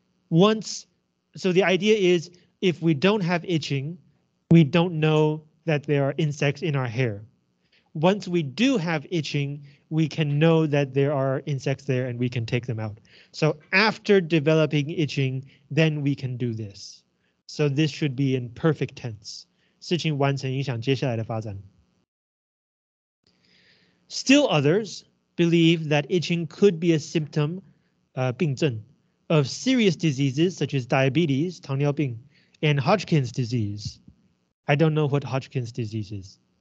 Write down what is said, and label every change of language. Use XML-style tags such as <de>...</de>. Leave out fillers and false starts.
<en>So the idea is if we don't have itching, we don't know that there are insects in our hair. Once we do have itching, we can know that there are insects there and we can take them out. So after developing itching, then we can do this. So this should be in perfect tense.</en> <zh>事情完成影响接下来的发展.</zh> <en>Still others believe that itching could be a symptom,</en> <zh>病症,</zh> <en>of serious diseases such as diabetes,</en> <zh>糖尿病,</zh> <en>and Hodgkin's disease. I don't know what Hodgkin's disease is.</en>